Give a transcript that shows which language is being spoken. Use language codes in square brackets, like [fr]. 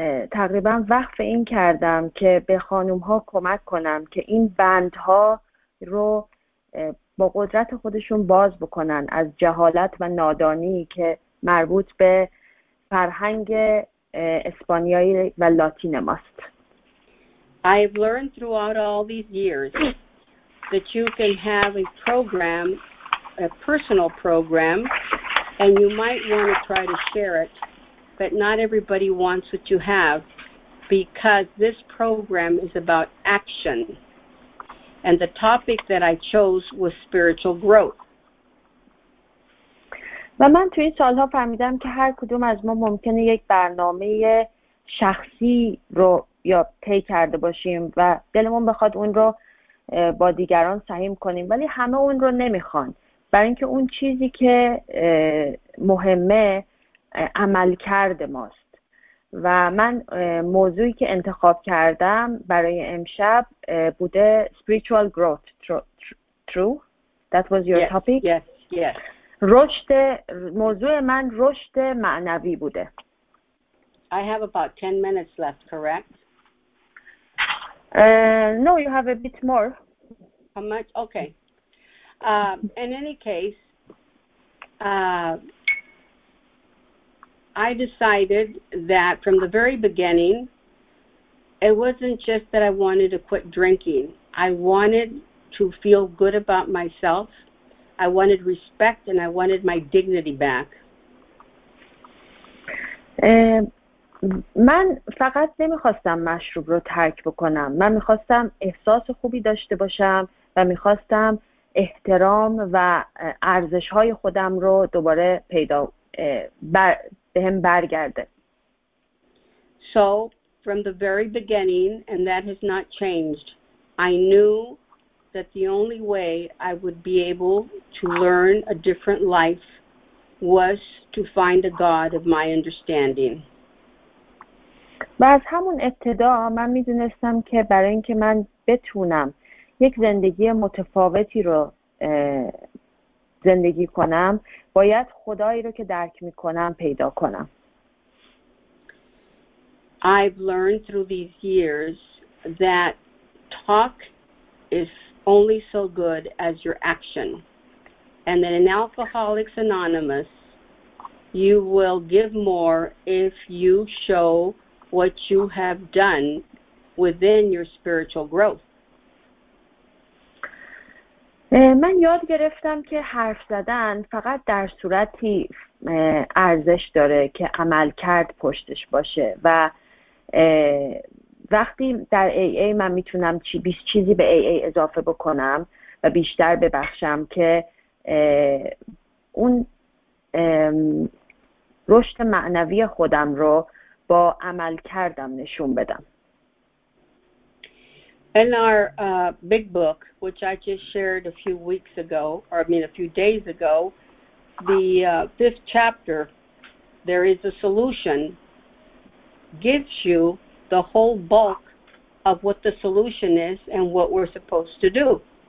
[fa] تقریبا وقف این کردم که به خانوم ها کمک کنم که این بندها رو با قدرت خودشون باز بکنن از جهالت و نادانی که مربوط به فرهنگ اسپانیایی و لاتین ماست. [en] I've learned throughout all these years that you can have a program, a personal program, and you might want to try to share it, but not everybody wants what you have because this program is about action. And the topic that I chose was spiritual growth. [fa] و من توی این سالها فهمیدم که هر کدوم از ما ممکنه یک برنامه شخصی رو یا پی کرده باشیم و دلمون بخواد اون رو با دیگران سهیم کنیم، ولی همه اون رو نمیخوان، برای اینکه اون چیزی که مهمه عمل کرده ماست. و من موضوعی که انتخاب کردم برای امشب بوده [en] spiritual growth. True? That was your topic? Yes. [fa] رشد، موضوع من رشد معنوی بوده. [en] I have about 10 minutes left, correct? No, you have a bit more. How much? Okay. In any case, I decided that from the very beginning, it wasn't just that I wanted to quit drinking. I wanted to feel good about myself. I wanted respect and I wanted my dignity back. [fa] من فقط نمیخواستم مشروب رو ترک بکنم. من میخواستم احساس خوبی داشته باشم و میخواستم احترام و ارزش‌های خودم رو دوباره پیدا به هم برگرده. [en] So from the very beginning, and that has not changed, I knew that the only way I would be able to learn a different life was to find a God of my understanding. [fa] و از همون ابتدا من می‌دونستم که برای اینکه من بتونم یک زندگی متفاوتی رو زندگی کنم، باید خدایی رو که درک می‌کنم پیدا کنم. [en] I've learned through these years that talk is only so good as your action. And then in Alcoholics Anonymous, you will give more if you show what you have done within your spiritual growth. [fa] من یاد گرفتم که حرف زدن فقط در صورتی ارزش داره که عمل کرد پشتش باشه. و وقتی در ای ای من میتونم بیست چیزی به ای ای اضافه بکنم و بیشتر ببخشم که اون رشد معنوی خودم رو با عمل کردم نشون بدم. [en] In our big book, which I just shared a few weeks ago, or I mean a few days ago, the fifth chapter, there is a solution, gives you the whole bulk of what the solution is and what we're supposed to do.